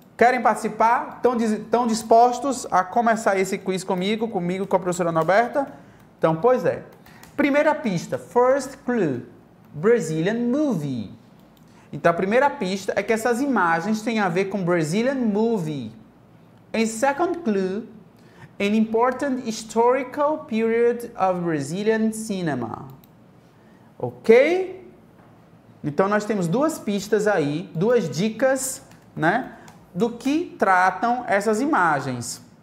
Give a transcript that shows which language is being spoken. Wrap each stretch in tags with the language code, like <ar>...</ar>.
<pt>Querem participar? Estão dispostos a começar esse quiz comigo e com a professora Norberta? Então, pois é. Primeira pista,</pt> <en>first clue, Brazilian movie.</en> <pt>Então, a primeira pista é que essas imagens têm a ver com</pt> <en>Brazilian movie. And second clue, an important historical period of Brazilian cinema.</en> <pt>Ok? Então, nós temos duas pistas aí, duas dicas, né? Do que tratam essas imagens.</pt>